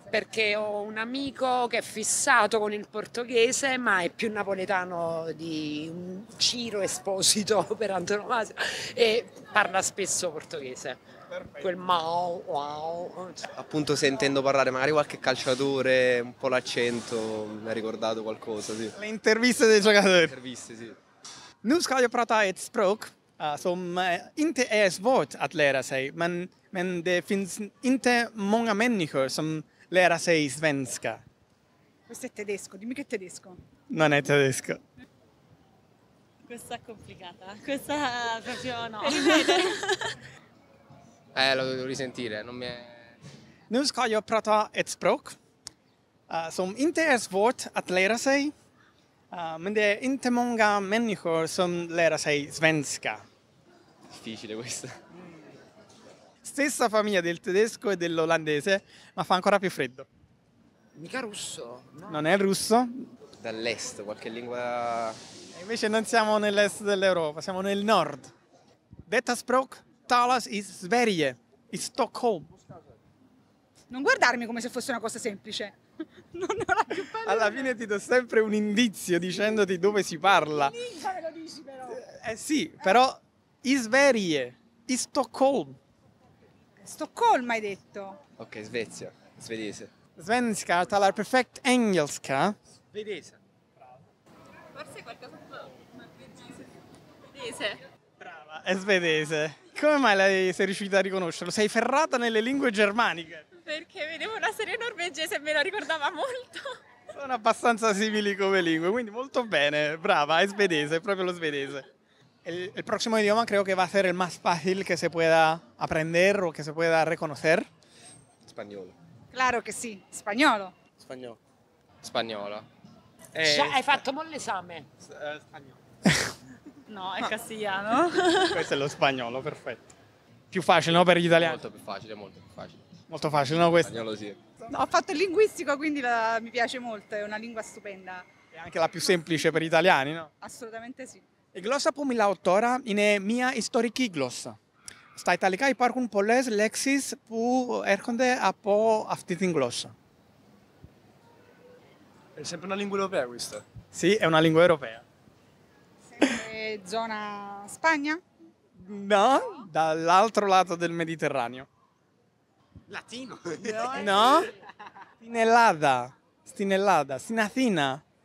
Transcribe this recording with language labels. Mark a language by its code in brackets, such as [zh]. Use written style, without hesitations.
[it] Perché ho un amico che è fissato con il portoghese, ma è più napoletano di un Ciro Esposito per antonomasia e parla spesso portoghese. Perfetto. Quel mau, wow. Appunto sentendo parlare magari qualche calciatore, un po' l'accento, mi ha ricordato qualcosa, sì. Le interviste dei giocatori. Le interviste, sì. [sv] Nu ska jag prata ett språk. Som inte är svårt att lära sig, men det finns inte många människor som lär sig svenska. [it] Questo è tedesco, dimmi che è tedesco. Non è tedesco. Questa è complicata, questa proprio no. lo devo risentire, non mi è... [sv] Nu ska jag prata ett språk som inte är svårt att lära sig, men det är inte många människor som lär sig svenska. [it] Difficile questa. Stessa famiglia del tedesco e dell'olandese, ma fa ancora più freddo. Mica russo. No. Non è russo. Dall'est, qualche lingua... E invece non siamo nell'est dell'Europa, siamo nel nord. [sv] Detta språk talas i Sverige, in Stockholm. [it] Non guardarmi come se fosse una cosa semplice. Non ho la più pallina. Alla fine ti do sempre un indizio dicendoti dove si parla. Lo dici però. Però... [sv] In Sverige, [it] in Stoccolma. Stoccolma hai detto? Ok, Svezia, svedese. [sv] Svenska, talar perfect engelska. [it] Svedese. Bravo. Forse qualcosa più svedese. Svedese. Brava, è svedese. Come mai sei riuscita a riconoscerlo? Sei ferrata nelle lingue germaniche. Perché vedevo una serie norvegese e me la ricordava molto. Sono abbastanza simili come lingue, quindi molto bene. Brava, è svedese, è proprio lo svedese. [es] El próximo idioma creo que va a ser el más fácil que se pueda aprender o que se pueda reconocer. Español. Claro que sí, español. Español. Español. ¿Has hecho mal el examen? Español. No, es castellano. Pues es lo español, perfecto. [it] Più facile, ¿no? Per gli italiani. Molto più facile, molto più facile. Molto facile, ¿no? Questo. Spagnolo sì. No, ho fatto il linguistico, quindi mi piace molto, è una lingua stupenda. È anche la più semplice per gli italiani, no? Assolutamente sì. [el] Η γλώσσα που μιλάω τώρα είναι μια ιστορική γλώσσα. Στα Ιταλικά υπάρχουν πολλές λέξεις που έρχονται από αυτή την γλώσσα. Είναι [it] sempre una lingua europea questa. Sì, è una lingua europea. Sempre zona Spagna? No, dall'altro lato del Mediterraneo. Latino? No. Stinellada. Stinellada. Stinazina.